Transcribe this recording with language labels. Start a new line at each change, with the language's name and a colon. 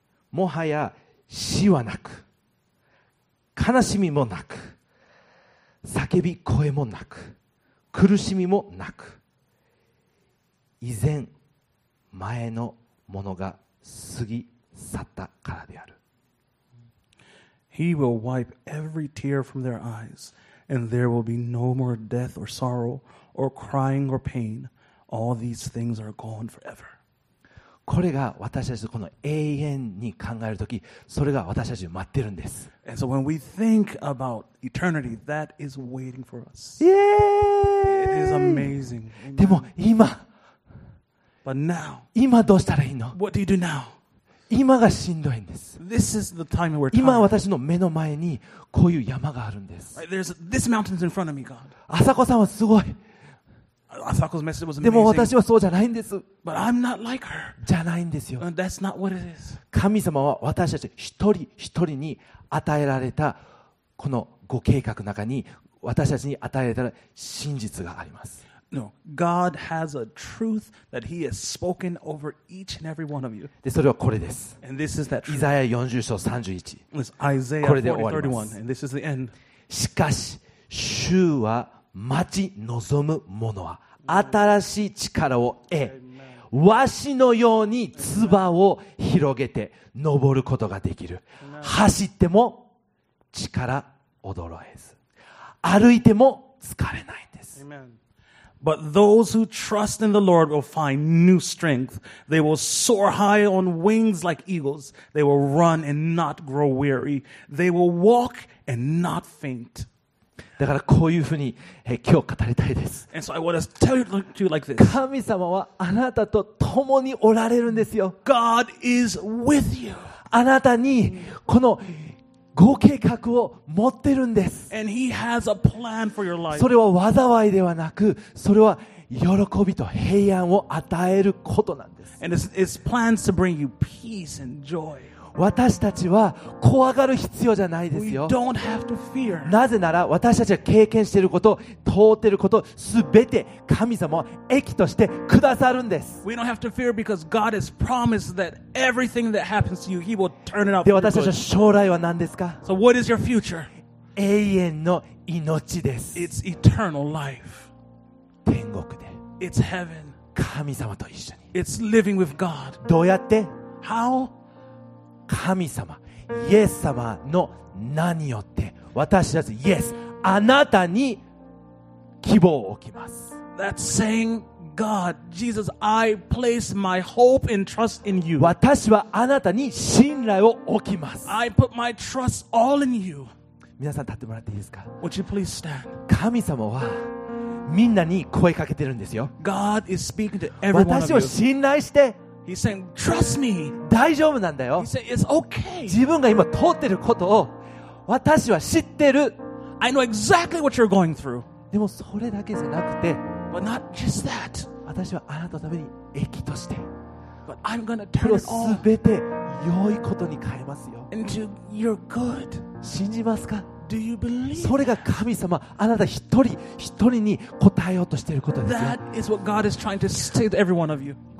Japanese: もはや死はなく、悲しみもなく、叫び声もなく、苦しみもなく、以前前のものが過ぎ去ったからである。
English: He will wipe every tear from their eyes, and there will be no more death or sorrow or crying or pain. All these things are gone forever.
Japanese: これが私たちこの永遠に考えるとき、それが私たちを待ってるんです。
English: And so when we think about eternity, that is waiting for us. Yay! It is amazing.
Japanese: でも今、
English: But now,
Japanese: 今どうしたらいいの?
English: What do you do now?
Japanese: 今がしんどいんです。
English: This is the time we're talking.
Japanese: 今私の目の前にこういう山があるんです。
English: Right, there's this mountains in front of me, God.
Japanese: 朝子さんはすごい。
English: Asako's message was amazing.
Japanese: でも私はそうじゃないんです。
English: But I'm not like her.
Japanese: じゃないんですよ。
English: And that's not what it is.
Japanese: 神様は私たち一人一人に与えられたこのご計画の中に私たちに与えられた真実があります。
English: No, God has a truth that He has spoken over each and every one of you.
Japanese: で、それはこれです。
English: And this is that truth.
Japanese: イザヤ40章31。
English: This Isaiah 40:31, and this is the end.
Japanese: しかし、主は待ち望む者は新しい力を得、わしのように唾を広げて登ることができる。走っても力衰えず、歩いても疲れないんです。
English: But those who trust in the Lord will find new strength. They will soar high on wings like eagles. They will run and not grow weary. They will walk and not faint.
Japanese: だからこういうふうに今日語りたいです。
English: And so I want to tell you like this.
Japanese: 神様はあなたと共におられるんですよ。
English: God is with you.
Japanese: あなたにこのご計画を持ってるんです。
English: And he has a plan for your life.
Japanese: それは災いではなく、それは喜びと平安を与えることなんです。
English: And it's plans to bring you peace and joy.
Japanese: 私たちは怖がる必要じゃないですよ。
English: We don't have to fear.
Japanese: なぜなら私たちが経験していること、通っていること、すべて神様は益としてくださるんです。
English: We don't have to fear because God has promised that everything that happens to you, He will turn it up.
Japanese: で、私たちの将来は何ですか?
English: So what is your future?
Japanese: 永遠の命です。
English: It's eternal life.
Japanese: 天国で。
English: It's heaven.
Japanese: 神様と一緒に。
English: It's living with God.
Japanese: どうやって?
English: How?
Japanese: 神様、イエス様の名によって私たちイエス、あなたに希望を置きます。
English: That's saying, God, Jesus, I place my hope and trust in you.
Japanese: 私はあなたに信頼を置きます。
English: I put my trust all in you.
Japanese: 皆さん立ってもらっていいですか?
English: Would you please stand?
Japanese: 神様はみんなに声かけてるんですよ。
English: God is speaking to everyone of you.
Japanese: 私を信頼して。
English: He's saying, "Trust me."
Japanese: 大丈夫なんだよ。
English: He said, "It's okay."
Japanese: 自分が今通ってることを私は知ってる。
English: I know exactly what you're going through.
Japanese: でもそれだけじゃなくて、
English: but not just that.
Japanese: 私はあなたのために益として、
English: but I'm gonna turn it all.
Japanese: すべて良いことに変えますよ。
English: Into your good.
Japanese: 信じますか?
English: Do you believe?
Japanese: それが神様、あなた一人一人に答えようとしていることですよ。
English: That is what God is trying to say to every one of you.